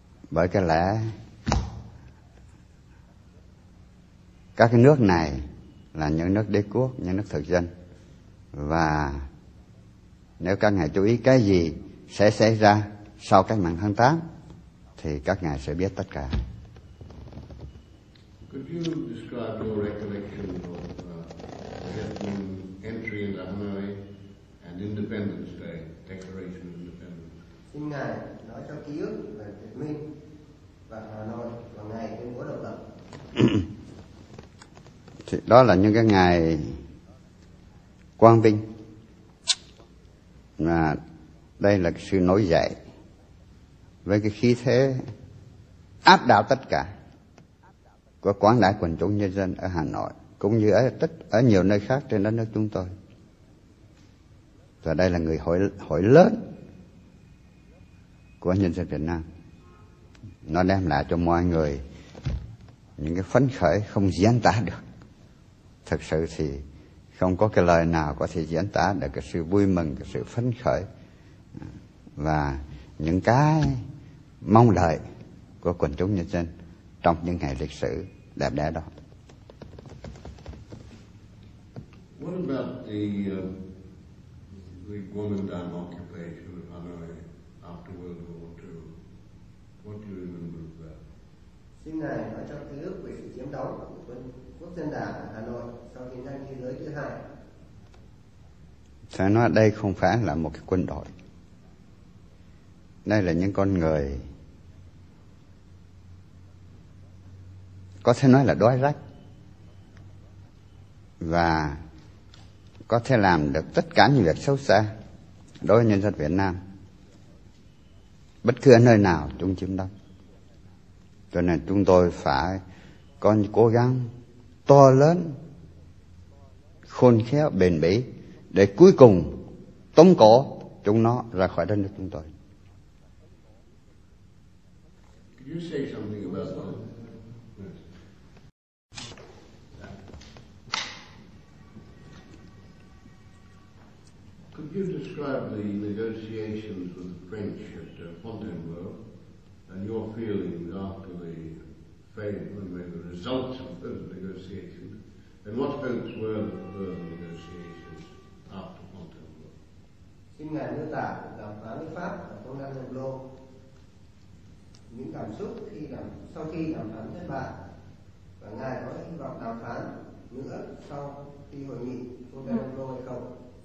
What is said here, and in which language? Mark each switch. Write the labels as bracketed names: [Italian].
[Vietnamese] Bởi cái lẽ các cái nước này là những nước đế quốc, những nước thực dân. Và nếu các ngài chú ý cái gì sẽ xảy ra sau cách mạng tháng 8 thì các ngài sẽ biết tất cả. [English] Could you describe your recollection of Vietnam's entry into Hanoi and Independence Day, Declaration of Independence? [Vietnamese] Xin ngài nói cho ký ức về Việt Minh và Hà Nội vào ngày tuyên bố độc lập. Thì đó là những cái ngày quang vinh, mà đây là sự nổi dậy với cái khí thế áp đảo tất cả của quảng đại quần chúng nhân dân ở Hà Nội cũng như ở nhiều nơi khác trên đất nước chúng tôi. Và đây là người hội lớn của nhân dân Việt Nam. Nó đem lại cho mọi người những cái phấn khởi không diễn tả được. Thực sự thì không có cái lời nào có thể diễn tả được cái sự vui mừng, cái sự phấn khởi và những cái mong đợi của quần chúng nhân dân trong những ngày lịch sử đẹp đẽ đó. [English] What about the Kuomintang occupation of Hanoi after World War II? What do you remember of that? [Vietnamese] Xin ngài nói cho ký ức về sự chiếm đóng của quân Quốc dân đảng ở Hà Nội sau chiến tranh thế giới thứ hai. Phải nói đây không phải là một cái quân đội. Đây là những con người có thể nói là đói rách và có thể làm được tất cả những việc xấu xa đối với nhân dân Việt Nam bất cứ ở nơi nào chúng chiếm đóng. Cho nên chúng tôi phải có những cố gắng to lớn, khôn khéo, bền bỉ để cuối cùng tống cổ chúng nó ra khỏi đất nước chúng tôi. [English] You say something about that? Could you describe the negotiations with the French at Fontainebleau and your feelings after the failure and the results of those negotiations? And what hopes were there for the negotiations after Fontainebleau? [Vietnamese] Xin ngài miêu tả cuộc đàm phán với Pháp ở Fontainebleau những cảm xúc khi đàm, sau khi đàm phán thất bại, và ngài có hy vọng đàm phán nữa sau khi hội nghị Cotonou hay không?